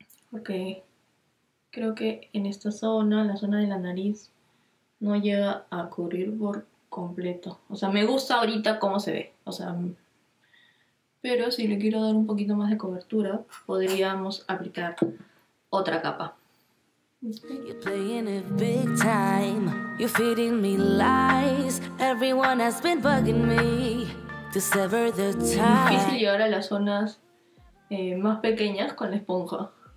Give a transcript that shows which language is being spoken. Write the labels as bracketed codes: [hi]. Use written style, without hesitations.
[es] Porque creo que en esta zona, la zona de la nariz, no llega a cubrir por completo. O sea, me gusta ahorita cómo se ve. O sea, pero si le quiero dar un poquito más de cobertura, podríamos aplicar otra capa. [en] You're playing it big time. You're feeding me lies. Everyone has been bugging me to sever the [es] Difícil [en] tie. [es] llegar a las zonas más pequeñas con la esponja.